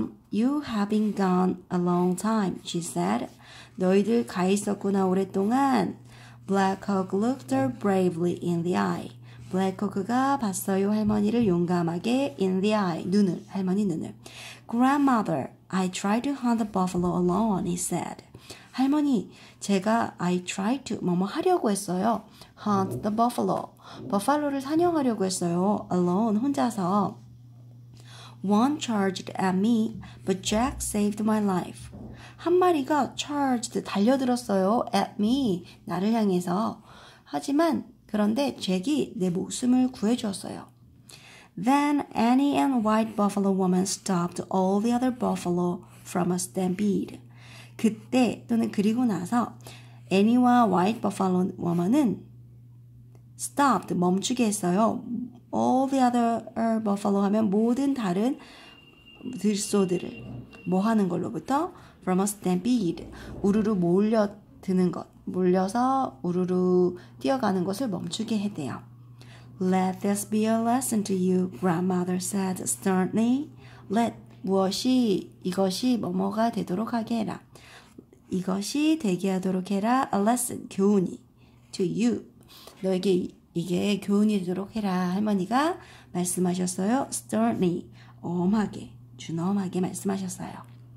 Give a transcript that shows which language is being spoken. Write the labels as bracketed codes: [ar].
[en] You having gone a long time, she said. [ko] 너희들 가 있었구나, 오랫동안. [en] Black Hawk looked her bravely in the eye. [ko] Black Hawk가 봤어요, 할머니를 용감하게. [en] In the eye, [ko] 눈을, 할머니 눈을. [en] Grandmother, I tried to hunt the buffalo alone, he said. [ko] 할머니, 제가 [en] I tried to, [ko] 뭐뭐 하려고 했어요. [en] Hunt the buffalo. [ko] 버팔로를 사냥하려고 했어요. [en] Alone, [ko] 혼자서. [en] One charged at me, but Jack saved my life. [ko] 한 마리가 [en] charged, [ko] 달려들었어요. [en] At me, [ko] 나를 향해서. 하지만, 그런데 잭이 내 목숨을 구해주었어요. [en] Then Annie and White Buffalo Woman stopped all the other buffalo from a stampede. [ko] 그때 또는 그리고 나서 애니와 White Buffalo Woman은 [en] stopped, [ko] 멈추게 했어요. [en] All the other buffalo [ko] 하면 모든 다른 들소들을 뭐 하는 걸로부터 [en] from a stampede [ko] 우르르 몰려드는 것 몰려서 우르르 뛰어가는 것을 멈추게 해대요. [en] Let this be a lesson to you, grandmother said sternly. Let [ko] 무엇이 이것이 뭐뭐가 되도록 하게 해라. 이것이 되게 하도록 해라. [en] A lesson [ko] 교훈이 [en] to you [ko] 너에게 이게 교훈이 되도록 해라 할머니가 말씀하셨어요. [en] Sternly, [ko] 엄하게, 준엄하게 말씀하셨어요.